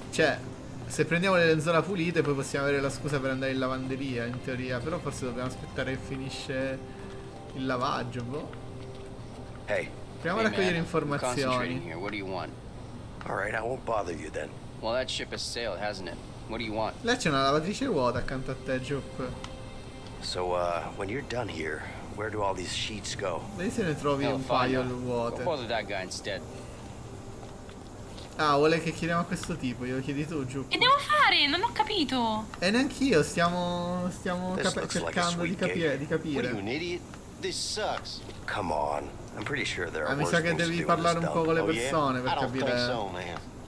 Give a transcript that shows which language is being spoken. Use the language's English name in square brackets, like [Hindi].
[Italian] Cioè, se prendiamo le lenzuola pulite poi possiamo avere la scusa per andare in lavanderia, in teoria. Però forse dobbiamo aspettare che finisce il lavaggio, boh. [English] Hey. [Italian] Proviamo a raccogliere informazioni. [English] All right, I won't bother you then. Well, that ship has sailed, hasn't it? What do you want? [Italian] Là c'è una lavatrice vuota accanto a te, Jup. [English] So, when you're done here, where do all these sheets go? [Italian] Lì se ne trovi un paio vuote. [English] Go bother that guy instead. [Italian] Ah, vuole che chiediamo a questo tipo, io chiedi tu, Jup. Che devo fare? Non ho capito. E neanch'io, stiamo cercando di capire, [English] What are you, an idiot? This sucks. Come on. I'm pretty sure there are [Italian] mi sa che devi parlare un po' con le persone per capire.